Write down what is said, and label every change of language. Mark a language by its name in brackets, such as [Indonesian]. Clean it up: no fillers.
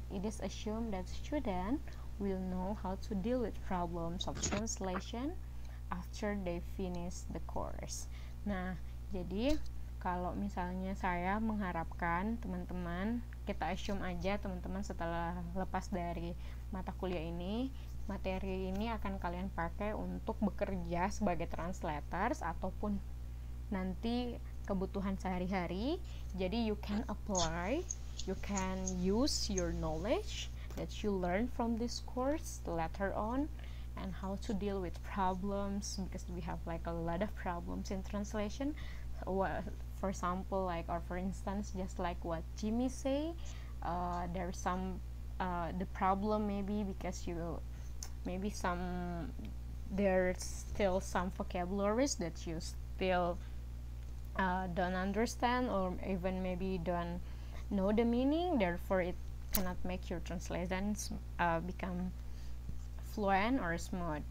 [English] It is assumed that student will know how to deal with problems of translation after they finish the course. [Indonesian] Nah, jadi kalau misalnya saya mengharapkan teman-teman, kita assume aja teman-teman setelah lepas dari mata kuliah ini, materi ini akan kalian pakai untuk bekerja sebagai translators ataupun nanti kebutuhan sehari-hari. [English] Jadi you can apply, you can use your knowledge that you learn from this course later on, and how to deal with problems, because we have like a lot of problems in translation. For example, like, or for instance, just like what Jimmy say, there's some the problem maybe because you maybe some there's still some vocabularies that you still don't understand, or even maybe don't know the meaning, therefore it cannot make your translations become fluent or smooth.